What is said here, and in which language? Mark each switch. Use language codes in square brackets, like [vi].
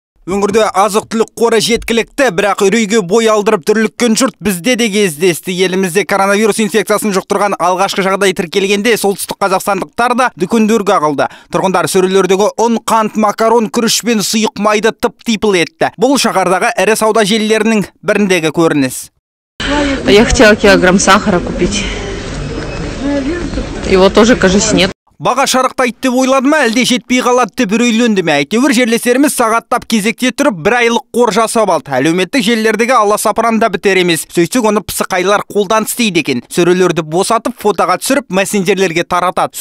[kk] Өңірде азық-түлік қоры жеткілікті, бірақ үрейге бой алдырып түрліккен жұрт бізде де кездесті. Елімізде коронавирус инфекциясын жұқтырған алғашқы жағдай тіркелгенде солтүстік қазақстандықтар да дүкендерге ағылды. Тұрғындар сөрелердегі ұн, қант, макарон, күріш пен сұйық майды тып-типыл етті. Бұл шаһардағы ірі сауда желілерінің біріндегі көрініс. [ru] Я хотел килограмм сахара купить. Его тоже, кажется, нет. [kk] Баға шарықтайды деп ойлады ма, әлде жетпей қалады деп үрейленді ме? Әйтеуір жерлестеріміз сағаттап кезекте тұрып, бір айлық қор жасап алды. Әлеуметтік желілердегі аласапыран да бітер емес. Сөйтсек оны пысықайлар қолдан істейді екен. Сөрелерді босатып, фотоға түсіріп, мессенджерлерге таратады.